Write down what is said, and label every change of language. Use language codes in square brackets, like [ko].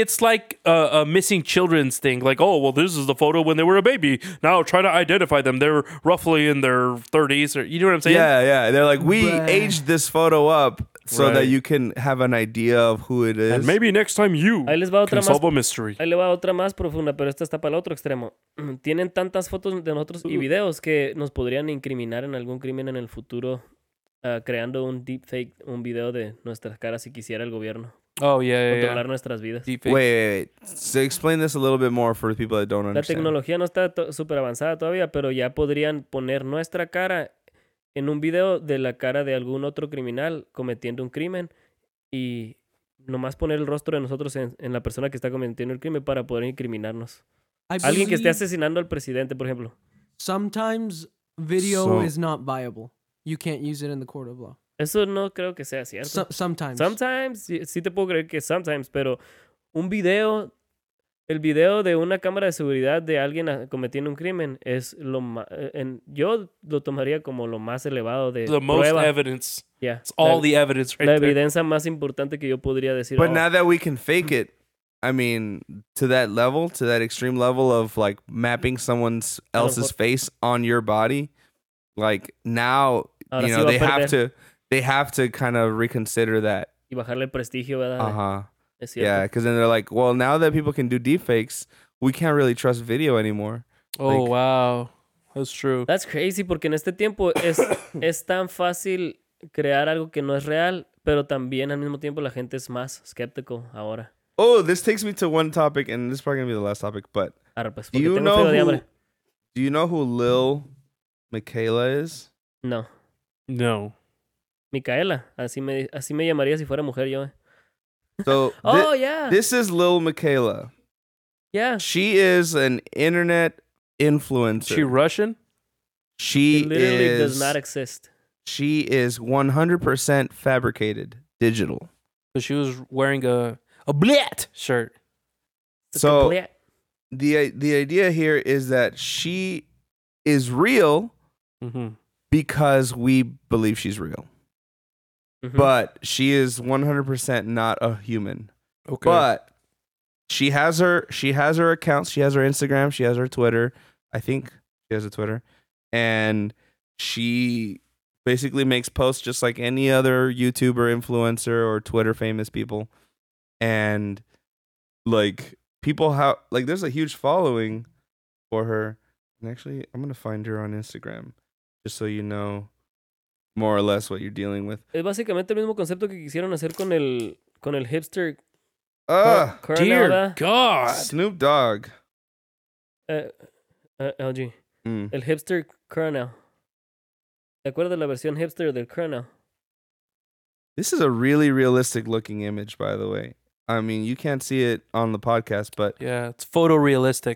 [en] It's like a missing children's thing. Like, oh, well, this is the photo when they were a baby. Now try to identify them. They're roughly in their 30s. Or you know what I'm saying? Yeah, yeah. They're like, we aged this photo up so that you can have an idea of who it is. And maybe next time you can solve a mystery. [es] Ahí les va otra más profunda, pero esta está para el otro extremo. Tienen tantas fotos de nosotros y videos que nos podrían incriminar en algún crimen en el futuro. Creando un deepfake, un video de nuestras caras si quisiera el gobierno. [en] Oh, yeah, yeah, [es] controlar [en] yeah. [es] nuestras vidas. [en] Deepfake. Wait. So explain this a little bit more for people that don't understand. [es] La tecnología no está super avanzada todavía, pero ya podrían poner nuestra cara en un video de la cara de algún otro criminal cometiendo un crimen y nomás poner el rostro de nosotros en la persona que está cometiendo el crimen para poder incriminarnos. Alguien que esté asesinando al presidente, por ejemplo. [en] Sometimes video is not viable. You can't use it in the court of law. [es] Eso no creo que sea cierto. [en] Sometimes. Sometimes. [es] Sí te puedo creer que [en] sometimes, [es] pero un video, el video de una cámara de seguridad de alguien cometiendo un crimen es lo más, yo lo tomaría como lo más elevado de [en] The [es] prueba. [en] Most evidence. Yeah. It's all the evidence right [es] La [en] there. [es] Evidencia más importante que yo podría decir. [en] But now that we can fake it, I mean, to that level, to that extreme level of like mapping someone else's face on your body, like now, [es] Ahora [en] you know, they have to kind of reconsider that. [es] Y bajarle el prestigio, ¿verdad? Uh-huh. [en] Yeah, because then they're like, well, now that people can do deepfakes, we can't really trust video anymore. Oh, like, wow. That's true. That's crazy, [es] porque en este tiempo es tan fácil crear algo que no es real, pero también al mismo tiempo la gente es más [en] skeptical [es] ahora. [en] Oh, this takes me to one topic, and this is probably going to be the last topic, but [es] Ahora, pues, porque tengo frío de hambre. [en] Do you know who Lil... Micaela is? No. No. Micaela. [es] Así me llamaría si fuera mujer yo. [en] So, oh, yeah. This is Lil Micaela. Yeah. She is an internet influencer. She Russian? She literally is, does not exist. She is 100% fabricated digital. So she was wearing a blat shirt. So the idea here is that she is real. Mm-hmm. Because we believe she's real. Mm-hmm. But she is 100% not a human. Okay. But she has her accounts. She has her Instagram. She has her Twitter. I think she has a Twitter. And she basically makes posts just like any other YouTuber, influencer, or Twitter famous people. And like people have like there's a huge following for her. And actually, I'm gonna find her on Instagram. Just so you know more or less what you're dealing with. [es] Es básicamente el mismo concepto que quisieron hacer con el hipster. [en] Dear God. Snoop Dogg. LG. [es] Mm. El hipster Colonel. ¿Te acuerdas de la versión hipster del Colonel? [en] This is a really realistic looking image, by the way. I mean, you can't see it on the podcast, but yeah, it's photorealistic.